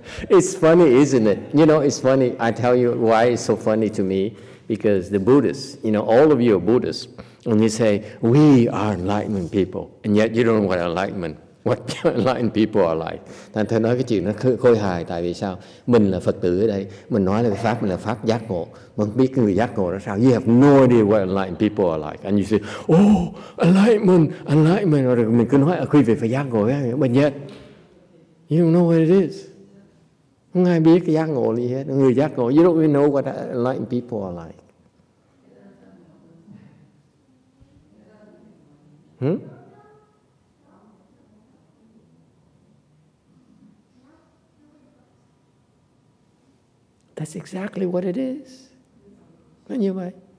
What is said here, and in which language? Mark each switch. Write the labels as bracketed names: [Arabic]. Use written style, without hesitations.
[English] It's funny, isn't it? You know, it's funny. I tell you why it's so funny to me. Because the Buddhists, you know, all of you are Buddhists, and they say, we are enlightened people. And yet you don't know what enlightenment, what enlightened people are like. [Vietnamese] Thành thầy nói cái chuyện nó khôi hài, tại vì sao? Mình là Phật tử ở đây, mình nói là cái Pháp, mình là Pháp giác ngộ. Mình biết cái người giác ngộ đó sao? [English] You have no idea what enlightened people are like. And you say, oh, enlightenment. [Vietnamese] Rồi mình cứ nói, quý vị phải giác ngộ. [English] But yet, you don't know what it is. [Vietnamese] Không ai biết cái giác ngộ gì hết. Người giác ngộ, [English] you don't even know what enlightened people are like. Hmm? That's exactly what it is. [Vietnamese] Nó như vậy.